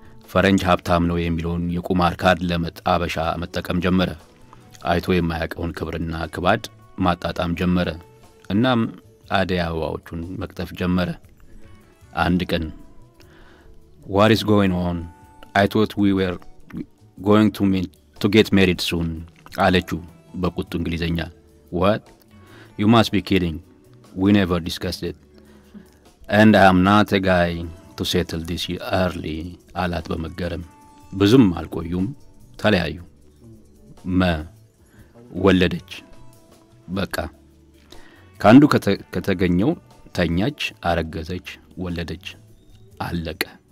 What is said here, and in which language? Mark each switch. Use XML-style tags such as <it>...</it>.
<am>ፈረንጅ ሀብታም ነው የሚለውን የቁማር ካርድ ለአበሻ መጠቀም ጀመረ። አይቶ የማያውቀውን ክብርና ክባድ ማጣጣም ጀመረ። እናም አደይ አበባዎቹን መቅጠፍ ጀመረ። አንድ ቀን</am> <en>What is going on? I thought we were going to meet to get married soon.</en> <am>አለችው በቁጡ እንግሊዘኛ።</am> <en>What? You must be kidding. We never discussed it. And I'm not a guy to settle this early.</en> <am>አላት በመገረም። ብዙም አልቆዩም ተለያዩ። መ ወለደች። በቃ ካንዱ ከተገኘው ተኛች አረገዘች ወለደች አለቀ።</am>